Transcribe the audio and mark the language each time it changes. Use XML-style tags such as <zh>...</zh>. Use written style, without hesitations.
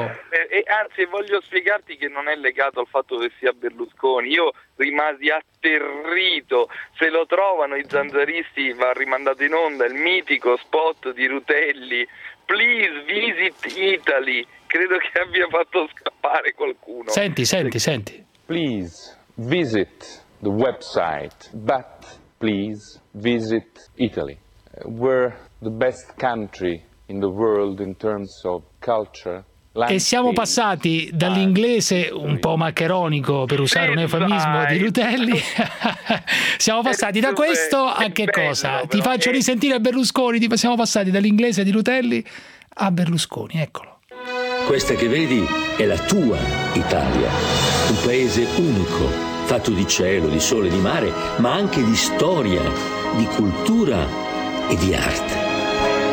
<it>Anzi, voglio spiegarti che non è legato al fatto che sia Berlusconi. Io rimasi atterrito, se lo trovano i zanzaristi va rimandato in onda il mitico spot di Rutelli,</it> <en>please visit Italy,</en> <it>credo che abbia fatto scappare qualcuno. Senti, senti, senti.</it> <en>Please visit the website, but please visit Italy. We're the best country in the world in terms of culture.</en> <it>E siamo passati dall'inglese un po' maccheronico, per usare un eufemismo, di Rutelli. Siamo passati da questo a che cosa? Ti faccio risentire Berlusconi. Siamo passati dall'inglese di Rutelli a Berlusconi, eccolo. Questa che vedi è la tua Italia, un paese unico, fatto di cielo, di sole, di mare, ma anche di storia, di cultura e di arte.</it>